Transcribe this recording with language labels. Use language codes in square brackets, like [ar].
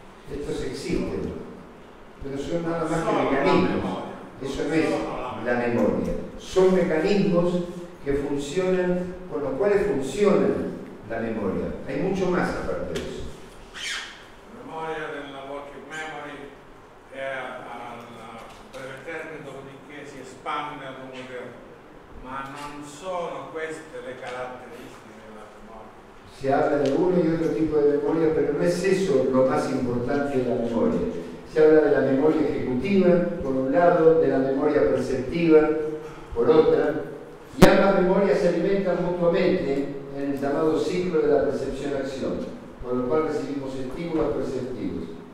[es] existen, pero son nada más que mecanismos. Eso no es la memoria. Son mecanismos que funcionan, con los cuales funciona la memoria. Hay mucho más aparte de eso. [it] Memoria del working memory è al breve termine, dopodiché si espande a lungo termine. Ma non sono queste le caratteristiche della memoria. [es] Si habla de uno y otro tipo de memoria, pero no es eso lo más importante de la memoria. Se habla de la memoria ejecutiva, por un lado, de la memoria perceptiva, por otra, y ambas memorias se alimentan mutuamente en el llamado ciclo de la percepción-acción, por lo cual recibimos estímulos perceptivos.